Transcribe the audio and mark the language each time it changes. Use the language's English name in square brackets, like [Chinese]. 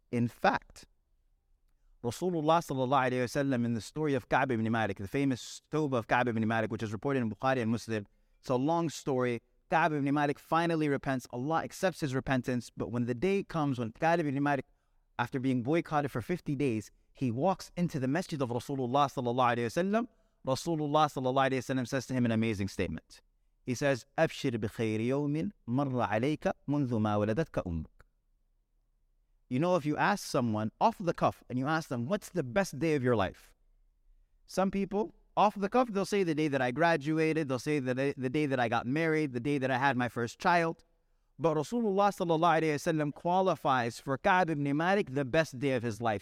[English] In fact, Rasulullah sallallahu alayhi wa sallam, in the story of Ka'b ibn Malik, the famous Tawbah of Ka'b ibn Malik, which is reported in Bukhari and Muslim, it's a long story. Ka'b ibn Malik finally repents. Allah accepts his repentance. But when the day comes, when Ka'b ibn Malik, after being boycotted for 50 days, he walks into the masjid of Rasulullah sallallahu alayhi wa sallam, Rasulullah sallallahu alayhi wa sallam says to him an amazing statement. [Arabic] He says, أَبْشِرْ بِخَيْرِ يَوْمٍ مَرَّ عَلَيْكَ مُنْذُ مَا وَلَدَتْكَ أُمُّكَ. [English] You know, if you ask someone off the cuff and you ask them, what's the best day of your life? Some people, off the cuff, they'll say the day that I graduated. They'll say the day that I got married, the day that I had my first child. But Rasulullah sallallahu alayhi wa sallam qualifies for Ka'b ibn Malik the best day of his life.